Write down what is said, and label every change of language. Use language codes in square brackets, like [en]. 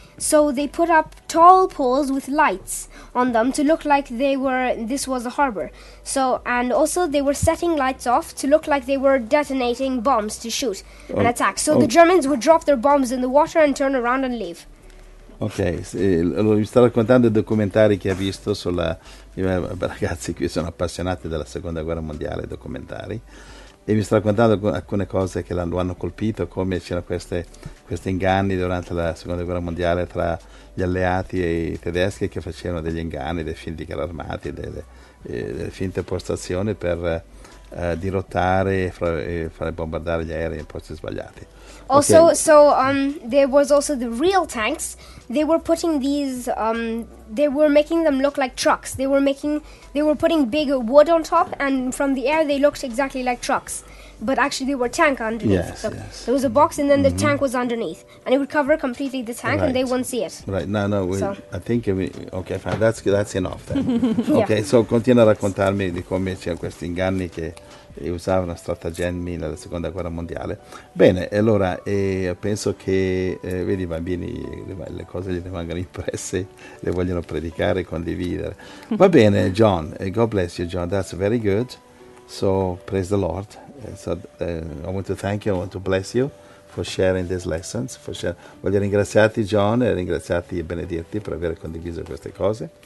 [en] So they put up tall poles with lights on them to look like they were, this was a harbor. So, and also they were setting lights off to look like they were detonating bombs to shoot and attack. So the Germans would drop their bombs in the water and turn around and leave. [it] Ok, vi sto raccontando i documentari che ho visto sulla... I ragazzi qui sono appassionati della Seconda Guerra Mondiale, documentari, e vi sto raccontando alcune cose che lo hanno colpito, come c'erano questi inganni durante la Seconda Guerra Mondiale tra gli alleati e i tedeschi che facevano degli inganni, dei finti armati, delle finte postazioni per dirottare e fare bombardare gli aerei in posti sbagliati. [en] Also, okay. So there was also the real tanks. They were putting these. They were making them look like trucks. They were putting big wood on top, and from the air they looked exactly like trucks, but actually they were tank underneath. Yes, so yes. There was a box, and then the tank was underneath, and it would cover completely the tank, right. And they wouldn't see it. Right. No. No. I think. Okay. Fine. That's enough. Then. Yeah. Okay. [it] So continua a raccontarmi di come c'erano questi inganni che e usavano stratagemmi nella Seconda Guerra Mondiale. Bene, allora penso che vedi, i bambini le cose gli rimangono impresse, le vogliono predicare e condividere. Va bene, [en] John, God bless you, John, that's very good. So praise the Lord. So I want to thank you, I want to bless you for sharing these lessons. [it] Voglio ringraziarti, John, e ringraziarti e benedirti per aver condiviso queste cose.